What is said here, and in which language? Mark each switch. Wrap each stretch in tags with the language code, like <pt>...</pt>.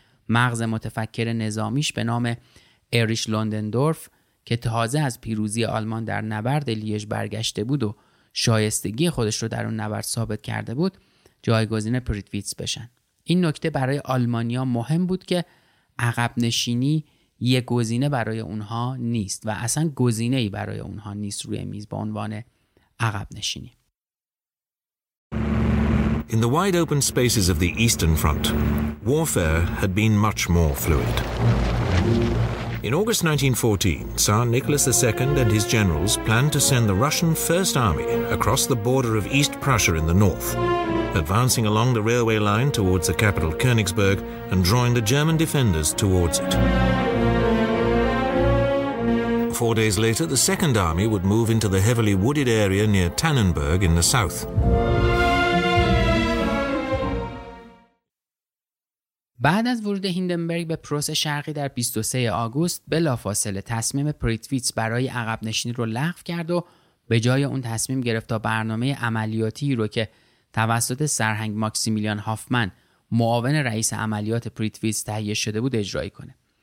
<fa>مغز متفکر نظامیش به نام اریش لوندندورف که تازه از پیروزی آلمان در نبرد لیژ برگشته بود و شایستگی خودش رو در اون نبرد ثابت کرده بود جایگزین پرتویتس بشن. این نکته برای آلمانیا مهم بود که عقب نشینی یه گزینه برای اونها نیست و اصلا گزینه‌ای برای اونها نیست روی میز با عنوان عقب نشینی.</fa> <en>In the wide open spaces of the Eastern Front, warfare had been much more fluid. In August 1914, Tsar Nicholas II and his generals planned to send the Russian First Army across the border of East Prussia in the north, advancing along the railway line towards the capital Königsberg and drawing the German defenders towards it. 4 days later, the Second Army would move into the heavily wooded area near Tannenberg in the south.</en> <fa>بعد از ورود هیندنبرگ به پروس شرقی در 23 آگوست بلافاصله تصمیم پرتویتس برای عقب نشینی رو لغو کرد و به جای اون تصمیم گرفت تا برنامه عملیاتی رو که توسط سرهنگ ماکسیمیلیان هافمن معاون رئیس عملیات پرتویتس تهیه شده بود اجرایی کنه.</fa>